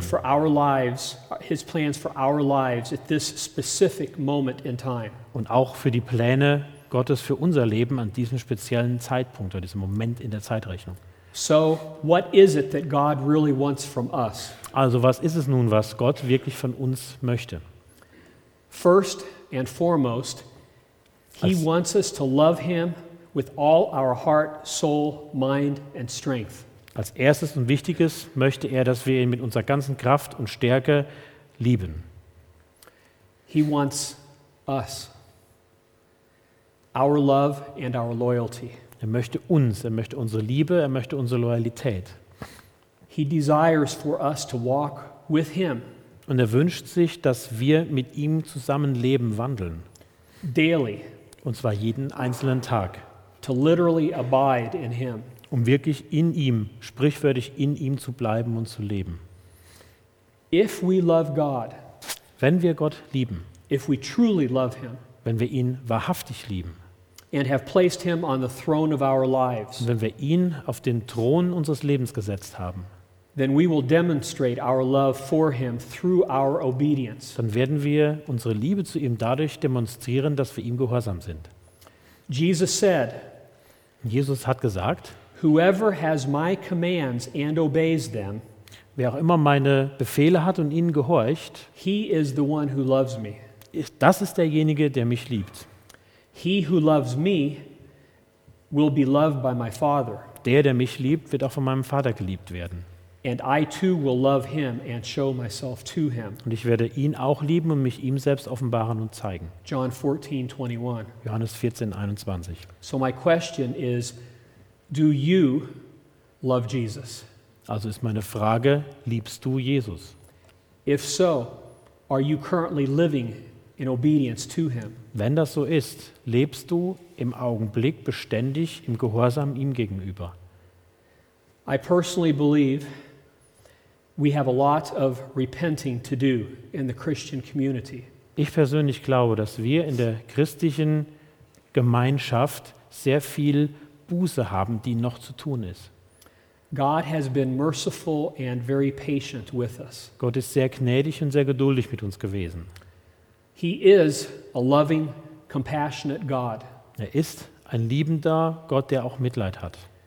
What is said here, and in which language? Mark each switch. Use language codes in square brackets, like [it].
[en] And for our lives, his plans for our lives at this specific moment in time. [de] Und auch für die Pläne Gottes für unser Leben an diesem speziellen Zeitpunkt oder diesem Moment in der Zeitrechnung. [en] So, what is it that God really wants from us? [de] Also, was ist es nun, was Gott wirklich von uns möchte? [en] First and foremost, he wants us to love him with all our heart, soul, mind and strength. [de] Als erstes und wichtiges möchte er, dass wir ihn mit unserer ganzen Kraft und Stärke lieben. [en] He wants us, our love and our loyalty. [de] Er möchte uns, er möchte unsere Liebe, er möchte unsere Loyalität. [en] He desires for us to walk with him. [de] Und er wünscht sich, dass wir mit ihm zusammen leben, wandeln. [en] Daily. [de] Und zwar jeden einzelnen Tag. [en] To literally abide in him. [de] Um wirklich in ihm, sprichwörtlich in ihm zu bleiben und zu leben. [en] If we love God, [de] wenn wir Gott lieben, [en] if we truly love him, [de] wenn wir ihn wahrhaftig lieben, [en] and have placed him on the throne of our lives. [de] Wenn wir ihn auf den Thron unseres Lebens gesetzt haben, [en] then we will demonstrate our love for him through our obedience. [de] Dann werden wir unsere Liebe zu ihm dadurch demonstrieren, dass wir ihm gehorsam sind. [en] Jesus said, [de] Jesus hat gesagt, [en] whoever has my commands and obeys them, [de] wer auch immer meine Befehle hat und ihnen gehorcht, [en] he is the one who loves me. [de] Das ist derjenige, der mich liebt. [en] He who loves me will be loved by my Father. [de] Der mich liebt, wird auch von meinem Vater geliebt werden. [en] And I too will love him and show myself to him. [de] Und ich werde ihn auch lieben und mich ihm selbst offenbaren und zeigen. [en] John 14:21. [de] Johannes 14:21. [en] So my question is, do you love Jesus? [de] Also ist meine Frage, liebst du Jesus? [en] If so, are you currently living in obedience to him? [de] Wenn das so ist, lebst du im Augenblick beständig im Gehorsam ihm gegenüber? [en] I personally believe we have a lot of repenting to do in the Christian community. [de] Ich persönlich glaube, dass wir in der christlichen Gemeinschaft sehr viel Buße haben, die noch zu tun ist. [en] God has been merciful and very patient with us. [de] Gott ist sehr gnädig und sehr geduldig mit uns gewesen. [en] He is a loving, compassionate God. [de] Er ist ein liebender Gott, der auch Mitleid hat.